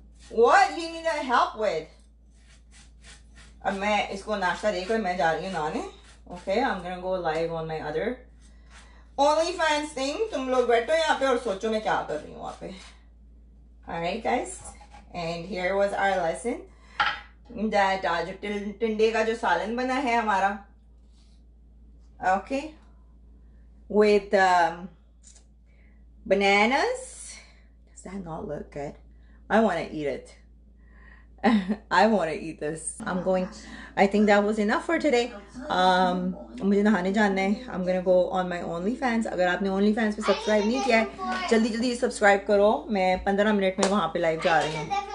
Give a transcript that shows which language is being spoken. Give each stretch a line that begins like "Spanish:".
English: What do you need our help with?
Hindi: अब मैं इसको नाश्ता देकर मैं जा रही हूँ नाने.
English: Okay, I'm gonna go live on my other. Only fans thing,
Hindi: तुम लोग बैठो यहाँ पे और सोचो मैं क्या कर रही हूँ वहाँ पे।
English: Alright guys, and here was our lesson that
Hindi: आज टिंडे का जो सालन बना है हमारा,
English: okay, with bananas. Does that not look good? I want to eat it. I want to eat this. I'm going. I think that was enough for today.
Hindi: मुझे नहाने जाना है।
English: I'm gonna go on my OnlyFans.
Hindi: अगर आपने OnlyFans पे subscribe नहीं किया है, जल्दी जल्दी सब्सक्राइब करो। मैं 15 मिनट में वहाँ पे लाइव जा रही हूँ।